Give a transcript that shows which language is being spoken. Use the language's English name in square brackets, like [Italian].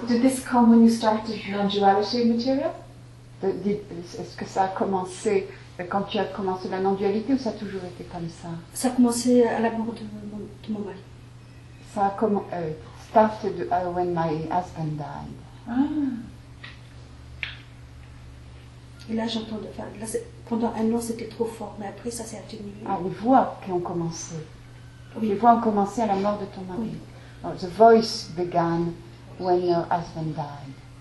[English] Did this come when you started non-duality material? [French] Est-ce que ça a commencé quand tu as commencé la non-dualité ou ça a toujours été comme ça? Ça a commencé à la mort de mon mari. Ça a [English] started when my husband died. Ah. [French] Et là, j'entends. Enfin, là, pendant un an, c'était trop fort, mais après, ça s'est atténué. Ah, les voix qui ont commencé. Oui. Les voix ont commencé à la mort de ton mari. Oui. [English] Oh, the voice began when your husband died.